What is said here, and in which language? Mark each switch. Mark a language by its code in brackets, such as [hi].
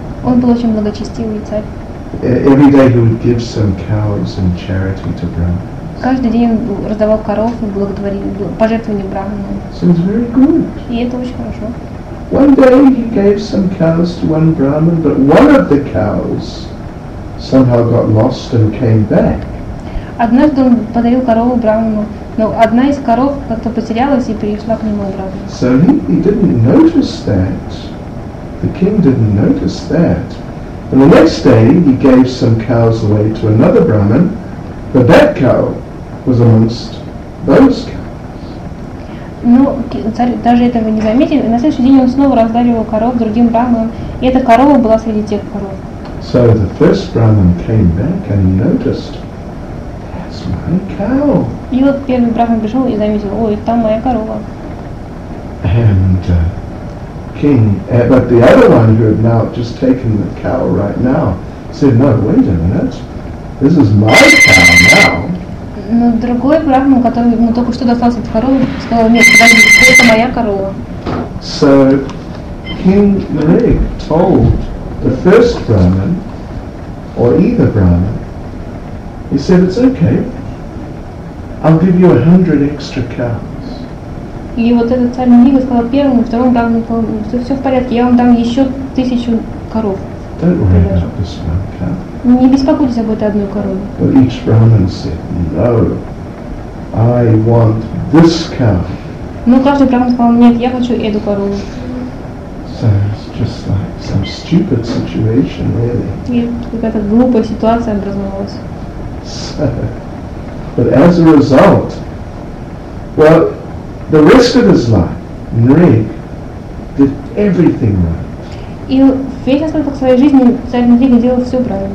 [ru] Он был очень благочестивый царь. [en] Every day he would give some cows in charity to Brahma. [ru] Каждый день он раздавал коров и благотворил пожертвования Брахману. [en] So it's very good. [ru] И это очень хорошо. [en] One day he gave some cows to one Brahmin, but one of the cows somehow got lost and came back. [ru] Однажды он подарил корову Брахману, но одна из коров как-то потерялась и перешла к нему обратно. [en] So he didn't notice that. The king didn't notice that. And the next day he gave some cows away to another Brahmin, but that cow was amongst those cows. [ru] Но царь даже этого не заметил, и на следующий день он снова раздаривал коров другим Брахманам, и эта корова была среди тех коров. [en] So the first Brahmin came back and noticed, my cow. [ru] И вот первый Брахман пришел и заметил, ой, там моя корова. [en] And king, but the other one who had now just taken the cow right now said, no, wait a minute, this is my cow now. [ru] Но другой Брахман, который ему только что достался от коровы, сказал, нет, подожди, это моя корова. [en] So King Rig told the first Brahman, or either Brahman, he said, it's okay. I'll give you 100 extra cows. [ru] И вот этот царь Мнига сказал первому, второму Брахману, что все в порядке, я вам дам еще 1000 коров. [en] Don't worry about this one cow. [ru] Не беспокойтесь об этой одной корове. [en] But each Brahman said, no, I want this cow. [ru] Но каждый Брахман сказал, нет, я хочу эту корову. [en] So it's just like some stupid situation, really. [ru] И какая-то глупая ситуация образовалась. [en] But as a result, well, the rest of his life, Nrig did everything right.